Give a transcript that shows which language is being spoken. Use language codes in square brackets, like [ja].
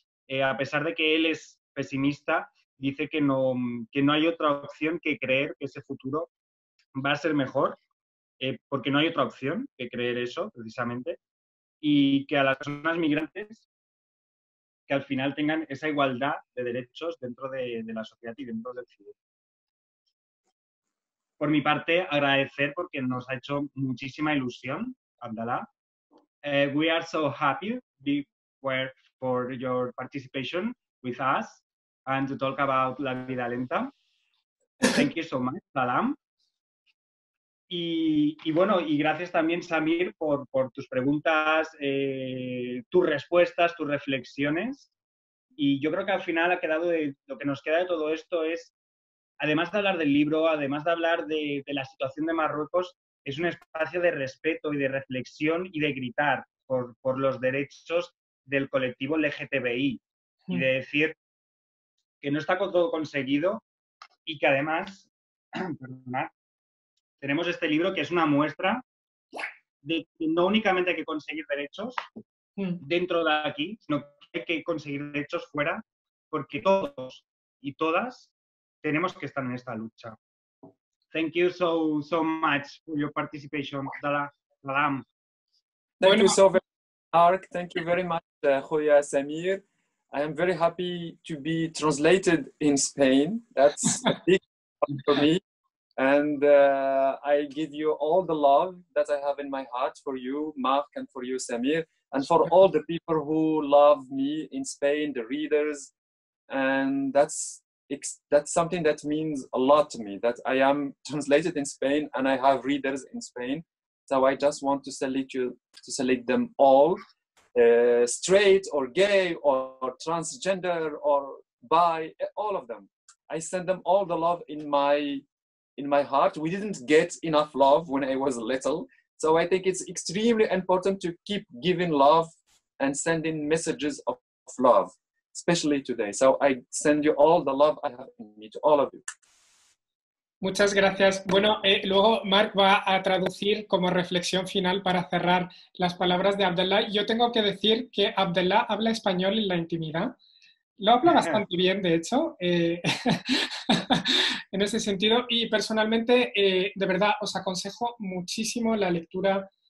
[es] A pesar de que él es pesimista, dice que no hay otra opción que creer que ese futuro va a ser mejor, porque no hay otra opción que creer eso, precisamente, y que a las personas migrantes que al final tengan esa igualdad de derechos dentro de la sociedad y dentro del civil. Por mi parte, agradecer porque nos ha hecho muchísima ilusión, Abdalá. [en] We are so happy for your participation with us and to talk about La Vida Lenta. Thank you so much, Salam. [es] Y bueno, y gracias también, Samir, por tus preguntas, tus respuestas, tus reflexiones. Y yo creo que al final ha quedado lo que nos queda de todo esto es, además de hablar del libro, además de hablar de la situación de Marruecos, es un espacio de respeto y de reflexión y de gritar por los derechos del colectivo LGTBI. Sí. Y de decir que no está todo conseguido y que además, perdona, tenemos este libro que es una muestra de que no únicamente hay que conseguir derechos dentro de aquí, sino que hay que conseguir derechos fuera, porque todos y todas tenemos que estar en esta lucha. [en] Thank you so much for your participation, Salam. Thank you so very much, Mark. Thank you very much, Julia Samir. I am very happy to be translated in Spain. That's a big one for me. And I give you all the love that I have in my heart for you, Mark, and for you, Samir, and for all the people who love me in Spain, the readers. And that's something that means a lot to me, that I am translated in Spain and I have readers in Spain. So I just want to select them all, straight or gay or transgender or bi, all of them. I send them all the love in my heart. We didn't get enough love when I was little. So I think it's extremely important to keep giving love and sending messages of love, especially today. So I send you all the love I have in me to all of you. [es] Muchas gracias. Bueno, luego Mark va a traducir como reflexión final para cerrar las palabras de Abdallah. Yo tengo que decir que Abdallah habla español en la intimidad. Lo habla bastante bien, de hecho, en ese sentido. Y personalmente, de verdad, os aconsejo muchísimo la lectura